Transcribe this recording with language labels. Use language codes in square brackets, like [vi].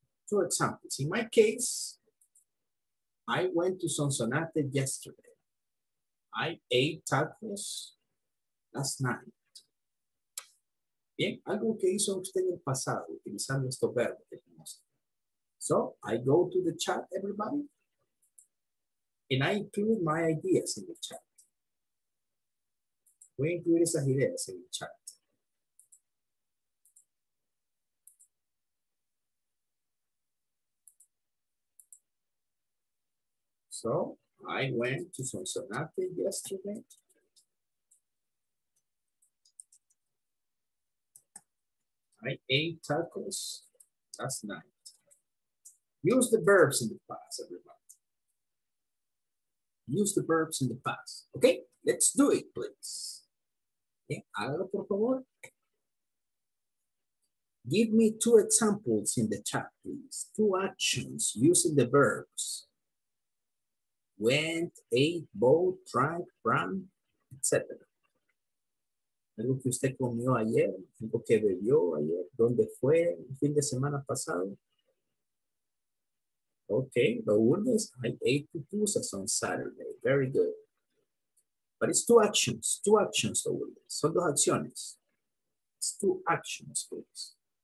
[en] Two examples. In my case, I went to Sonsonate yesterday. I ate tacos last night. [es] Bien, algo que hizo usted en el pasado, utilizando estos verbos que tenemos. [en] So, I go to the chat, everybody. And I include my ideas in the chat. [es] Voy a incluir esas ideas en el chat. [en] So, I went to Sonsonate yesterday. I ate tacos last night. Use the verbs in the past, everybody. Use the verbs in the past. Okay, let's do it, please. [es] Okay, hágalo, por favor. [en] Give me two examples in the chat, please. Two actions using the verbs. Went, ate, bought, drank, ran, etc. [es] Algo que usted comió ayer, algo que bebió ayer, ¿dónde fue el fin de semana pasado? [en] Okay, the word is, I ate pupusas on Saturday. Very good. But it's two actions, the word is. [es] Son dos acciones. [en] It's two actions, please.